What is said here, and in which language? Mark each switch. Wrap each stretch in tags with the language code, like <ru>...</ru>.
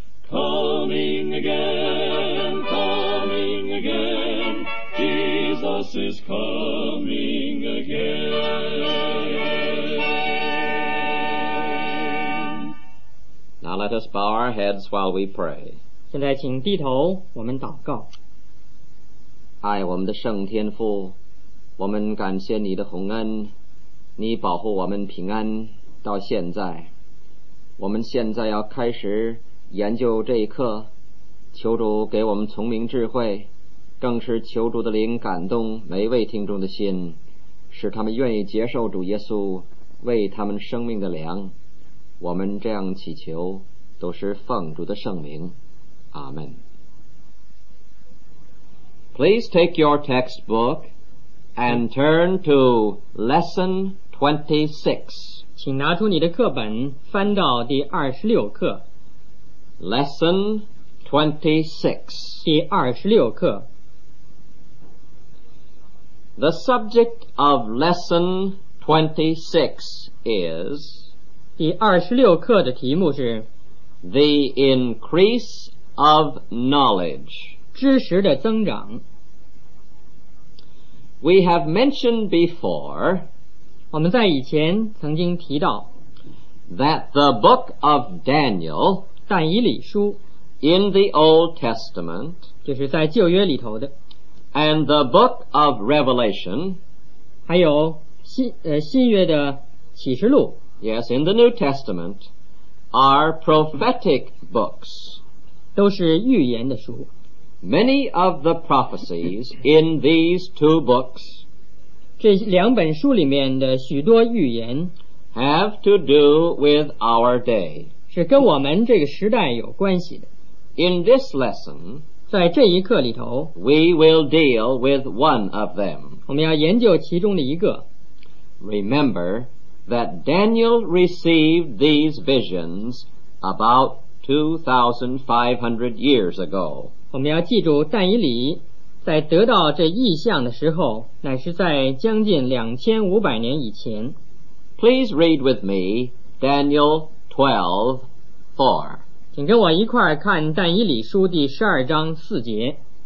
<en>Coming again, coming again, Jesus is coming again. Now let us bow our heads while we pray.</en> <zh>现在请低头，我们祷告。爱我们的圣天父，我们感谢你的洪恩，你保护我们平安到现在，我们现在要开始研究这一课，求主给我们聪明智慧，更是求主的灵感动每一位听众的心，使他们愿意接受主耶稣为他们生命的粮。我们这样祈求，都是奉主的圣名，阿们。</zh> <en>Please take your textbook and turn to lesson 26.</en> <zh>请拿出你的课本，翻到第26课。</zh> <en>Lesson 26.</en> <zh>第26课。</zh> <en>The subject of lesson 26 is</en> <zh>第26课的题目是</zh> <en>The increase of knowledge.</en> <zh>知识的增长。</zh> <en>We have mentioned before,</en> <zh>我们在以前曾经提到</zh> <en>that the book of Daniel,</en> <zh>但以理书</zh> <en>in the Old Testament,</en> <zh>就是在旧约里头的</zh> <en>and the book of Revelation,</en> <zh>还有 新约的启示录</zh> <en>yes, in the New Testament, are prophetic books,</en> <zh>都是预言的书。</zh> <en>Many of the prophecies in these two books</en> <zh>这两本书里面的许多预言</zh> <en>have to do with our day</en> <zh>是跟我们这个时代有关系的。</zh> <en>In this lesson</en> <zh>在这一课里头</zh> <en>we will deal with one of them</en> <zh>我们要研究其中的一个。</zh> <en>Remember that Daniel received these visions about 2,500 years ago</en> <zh>我们要记住但以理在得到这异象的时候乃是在将近2500年以前。</zh> <en>Please read with me Daniel 12:4</en> <zh>请跟我一块看但以理书第12章4节。</zh>